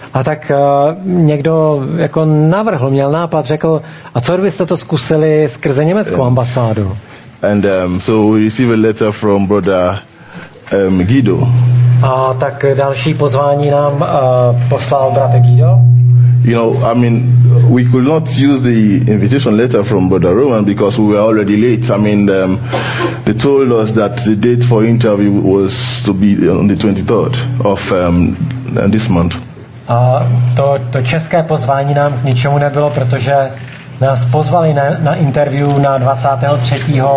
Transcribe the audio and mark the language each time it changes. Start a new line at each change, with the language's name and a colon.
Czech: A tak někdo jako navrhl, měl nápad, řekl, a co kdybyste to zkusili skrze německou ambasádu?
English: And so we received a letter from brother Guido.
Czech: A tak další pozvání nám poslal bratr Guido.
English: You know, I mean, we could not use the invitation letter from Brother Roman because we were already late. I mean, they told us that the date for interview was to be on the 23rd of this month.
Czech: A to české pozvání nám k ničemu nebylo, protože nás pozvali na interview na 23.